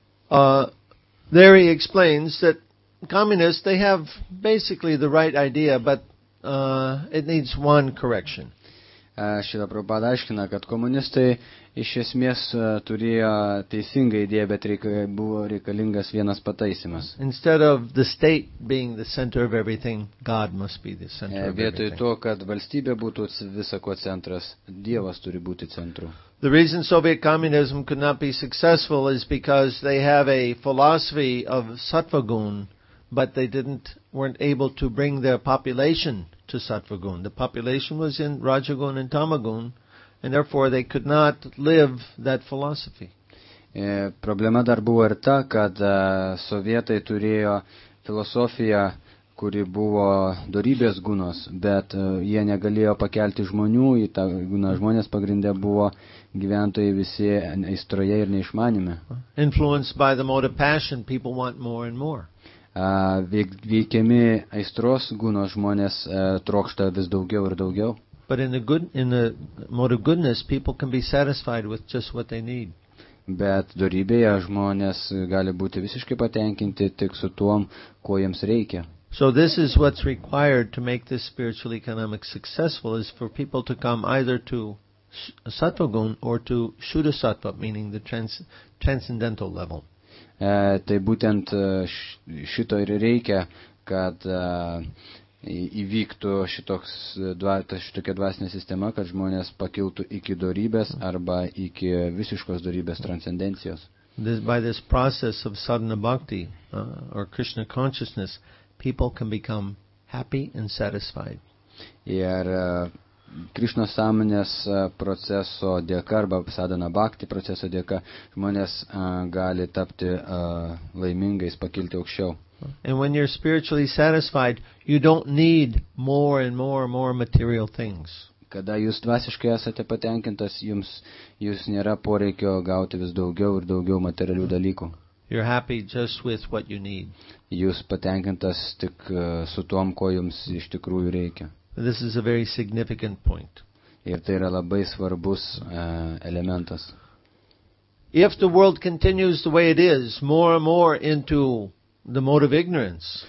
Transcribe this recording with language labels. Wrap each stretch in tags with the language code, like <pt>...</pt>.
<en>There he explains that communists, they have basically the right idea, but it needs one correction.</en> <lt>Šita Prabhupada aiškina, kad komunistai iš esmės turėjo teisingą idėją, bet buvo reikalingas vienas pataisimas.</lt> <en>Instead of the state being the center of everything, God must be the center of everything.</en> <lt>Vietoj to, kad valstybė būtų visako centras, Dievas turi būti centru.</lt> <en>The reason Soviet communism could not be successful is because they have a philosophy of sattvagun, but they weren't able to bring their population to sattvagun. The population was in rajagun and tamagun, and therefore they could not live that philosophy.</en> <lt>Problema dar buvo ir ta, kad sovietai turėjo filosofiją, kuri buvo dorybės gunos, bet jie negalėjo pakelti žmonių į tą guną. Žmonės pagrinde buvo gyventojai visi aistroje ir neišmanime.</lt> <en>Influenced by the mode of passion, people want more and more.</en> <lt>Veikiami aistros gūno žmonės trokšta vis daugiau ir daugiau.</lt> <en>But in the mode of goodness, people can be satisfied with just what they need.</en> <lt>Bet dorybėje žmonės gali būti visiškai patenkinti tik su tuom, ko jiems reikia.</lt> <en>So this is what's required to make this spiritual economic successful, is for people to come either to sattvagun or to shuddhasattva, meaning the transcendental level.</en> <lt>Tai būtent šito ir reikia, kad įvyktų šitokia dvasinė sistema, kad žmonės pakiltų iki dorybės arba iki visiškos dorybės transcendencijos.</lt> <en>By this process of sadhana bhakti or Krishna consciousness, people can become happy and satisfied.</en> <lt>Ir Krishna sąmonės proceso dėka arba sadhana bhakti proceso dėka žmonės gali tapti laimingais, pakilti aukščiau.</lt> <en>And when you're spiritually satisfied, you don't need more and more and more material things.</en> <lt>Kada jūs dvasiškai esate patenkintas, jūs nėra poreikio gauti vis daugiau ir daugiau materialių dalykų.</lt> <en>You're happy just with what you need.</en> <lt>Jūs patenkintas tik su tom, ko jums iš tikrųjų reikia.</lt> <en>This is a very significant point.</en> <lt>Ir tai yra labai svarbus elementas.</lt> <en>If the world continues the way it is, more and more into the mode of ignorance.</en>